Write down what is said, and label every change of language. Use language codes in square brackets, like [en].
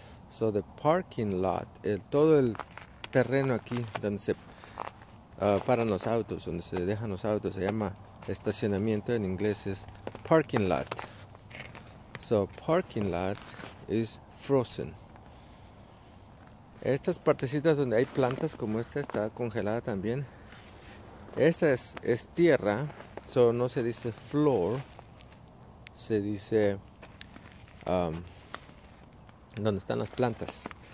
[es] So the parking lot, todo el terreno aquí donde se paran los autos, donde se dejan los autos, se llama estacionamiento, en inglés es parking lot. [en] So, parking lot is frozen. [es] Estas partecitas donde hay plantas como esta está congelada también. Esta es tierra, so no se dice floor, se dice donde están las plantas.